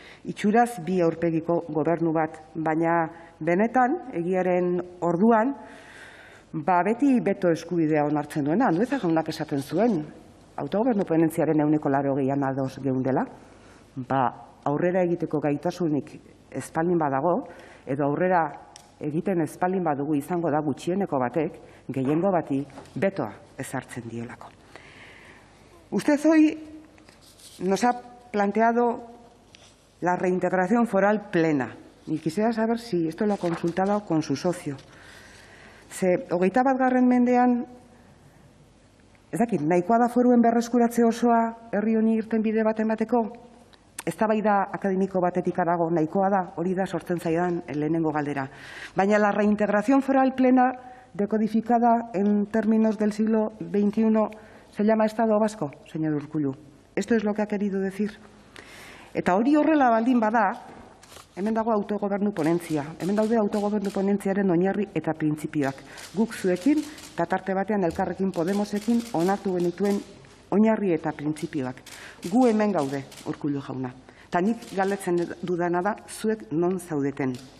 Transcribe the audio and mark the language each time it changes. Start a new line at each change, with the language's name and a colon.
Basque: Itxuraz bi aurpegiko gobernu bat, baina benetan egiaren orduan beti beto eskubidea onartzen duena, Andueza jaunak esaten zuen, autogobernu ponentziaren 180an ados geundela, aurrera egiteko gaitasunik ez baldin badago, edo aurrera egiten ez baldin badugu izango da gutxieneko batek, gehiengo bati betoa ezartzen dielako.
Spanish: Usted hoy nos ha planteado la reintegración foral plena. Y quisiera saber si esto lo ha consultado con su socio.
Basque: Ze, 21. mendean, ez dakit, nahikoa da foruen berreskuratze osoa herri honi irten bide bat emateko? Eztabaida akademiko batetik harago nahikoa da, hori da sortzen zaidan lehenengo galdera. Baina
Spanish: la reintegración foral plena, decodificada en términos del siglo XXI, se llama Estado Vasco, señor Urkullu. Esto es lo que ha querido decir.
Basque: Eta hori horrela baldin bada, hemen dago autogobernu ponentzia. Hemen daude autogobernu ponentziaren oinarri eta printzipioak. Guk zuekin, tatarte batean elkarrekin Podemosekin, onartu genituen oinarri eta printzipioak. Gu hemen gaude, Urkullu jauna. Ta nik galdetzen dudana da, zuek non zaudeten.